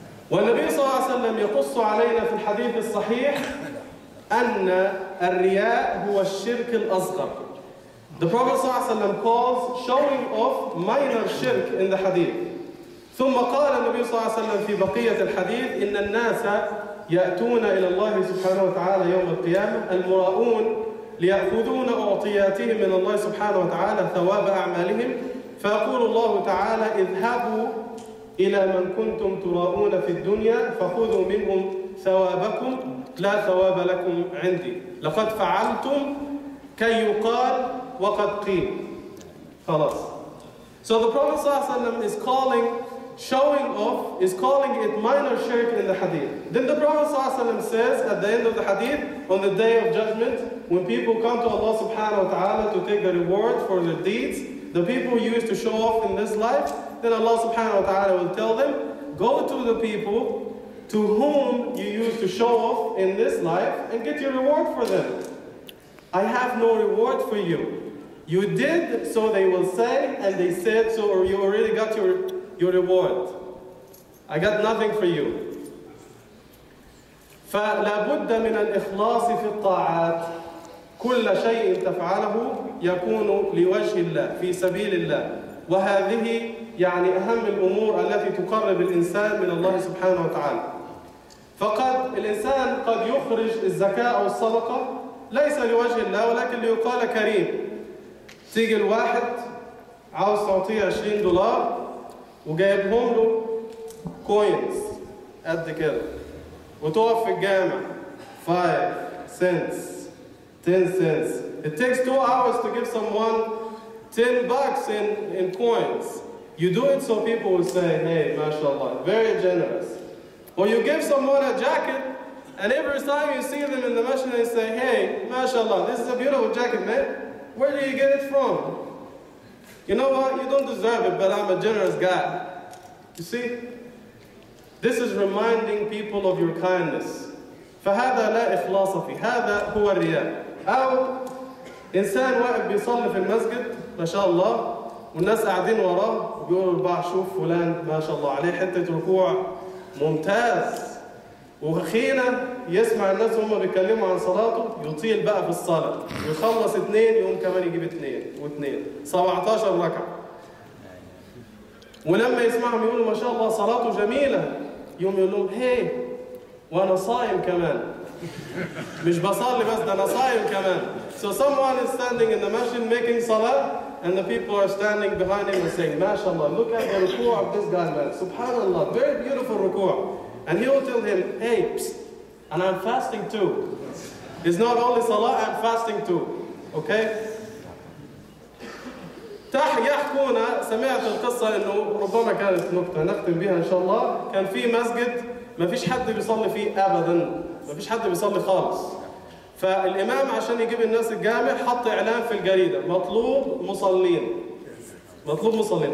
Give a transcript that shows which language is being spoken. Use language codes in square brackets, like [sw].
[ar] والنبي صلى الله عليه وسلم يقص علينا في الحديث الصحيح أن الرياء هو الشرك الأصغر. [en] The Prophet [ar] صلى الله عليه وسلم [en] calls showing off minor shirk in the hadith. [ar] ثم قال النبي صلى الله عليه وسلم في بقية الحديث إن الناس يأتون إلى الله سبحانه وتعالى يوم القيامة المراؤون ليأخذون أعطياتهم من الله سبحانه وتعالى ثواب أعمالهم، فيقول الله تعالى اذهبوا إلى من كنتم تراؤون في الدنيا فخذوا منهم ثوابكم لا ثواب لكم عندي، لقد فعلتم كي يقال وقد قيل. خلاص. [en] So the Prophet [ar] صلى الله عليه وسلم [en] is calling showing off, is calling it minor shirk in the hadith. Then the Prophet [ar] صلى الله عليه وسلم [en] says at the end of the hadith, on the day of judgment, when people come to Allah subhanahu wa ta'ala to take the reward for their deeds, the people you used to show off in this life, then Allah subhanahu wa ta'ala will tell them, go to the people to whom you used to show off in this life and get your reward for them. I have no reward for you. You did, so they will say, and they said, so you already got your reward. I got nothing for you. [ar] فلا بد من الإخلاص في الطاعات. كل شيء تفعله يكون لوجه الله في سبيل الله، وهذه يعني أهم الأمور التي تقرب الإنسان من الله سبحانه وتعالى. فقد الإنسان قد يخرج الزكاة أو الصدقة ليس لوجه الله ولكن ليقال كريم. تيجي الواحد عاوز تعطيه 20 دولار وجايبهم له كوينز قد كده، وتقف في الجامع 5 سنتس [en] 10 cents. It takes 2 hours to give someone 10 bucks in coins. You do it so people will say, hey, mashallah, very generous. Or you give someone a jacket, and every time you see them in the masjid, they say, hey, mashallah, this is a beautiful jacket, man. Where do you get it from? You know what? You don't deserve it, but I'm a generous guy. You see? This is reminding people of your kindness. [ar] فهذا لا إخلاص في هذا هو الرياء. أو إنسان واقف بيصلي في المسجد ما شاء الله والناس قاعدين وراه بيقولوا البعض شوف فلان ما شاء الله عليه حتة ركوع ممتاز، وأخيرا يسمع الناس هم بيتكلموا عن صلاته يطيل بقى في الصلاة، يخلص 2 يقوم كمان يجيب 2 و2 17 ركعة، ولما يسمعهم يقولوا ما شاء الله صلاته جميلة يقوم يقول لهم هي وأنا صايم كمان مش بصلي بس ده انا صايم كمان. [en] So someone is standing in the masjid making salah and the people are standing behind him and saying, "Mashallah, look at the ruku' of this guy, man. Subhanallah, very beautiful ruku'." And he will tell him, "Hey, psst, and I'm fasting too. It's not only salah, I'm fasting too." Okay? [ar] يحكونا سمعت القصة إنه ربما كانت نقطة نختم بها إن شاء الله. كان في مسجد ما فيش حد بيصلي فيه أبدا, ما فيش حد بيصلي خالص. فالإمام عشان يجيب الناس الجامع حط إعلان في الجريدة, مطلوب مصلين, مطلوب مصلين.